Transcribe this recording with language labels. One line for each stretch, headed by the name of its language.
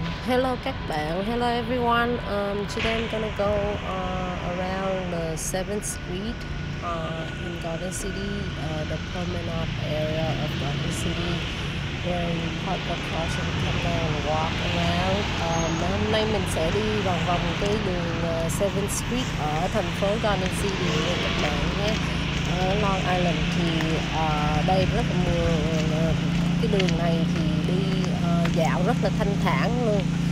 English: Hello
Vietnamese: các bạn,
English: hello everyone. Today I'm gonna go around the 7th Street in Garden City, the promenade area of Garden City, where we park the car so we can go and walk around.
Vietnamese: Hôm nay mình sẽ đi vòng vòng cái đường 7th Street ở thành phố Garden City nha các bạn nhé. Ở Long Island thì đây rất là mưa, cái đường này thì đi dạo rất là thanh thản luôn.